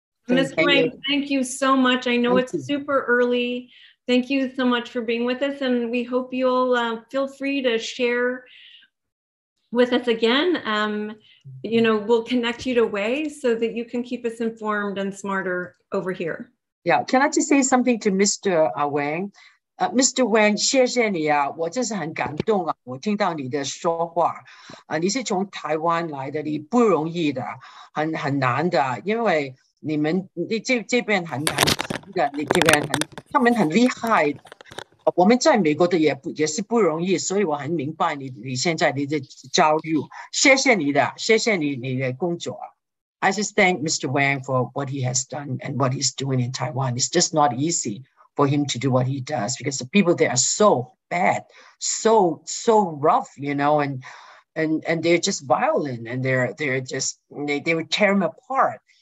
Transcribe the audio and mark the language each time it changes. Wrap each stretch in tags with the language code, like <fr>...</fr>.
<en>Thank you so much. I know it's super early. Thank you so much for being with us. And we hope you'll feel free to share with us again. You know, we'll connect you to Wei so that you can keep us informed and smarter over here. Yeah, can I just say something to Mr. Wang? Mr.</en> <zh>Wang, 谢谢你啊, 我真是很感动啊, 我听到你的说话, 你是从台湾来的, 你不容易的, 很难的, 因为你们这边很难的, 你这边很, 他们很厉害, 我们在美国的也是不容易, 所以我很明白你现在的遭遇, 谢谢你的, 谢谢你的工作。</zh> <en>I just thank Mr. Wang for what he has done and what he's doing in Taiwan. It's just not easy for him to do what he does, because the people there are so bad, so rough, you know, and they're just violent, and they would tear him apart.</en>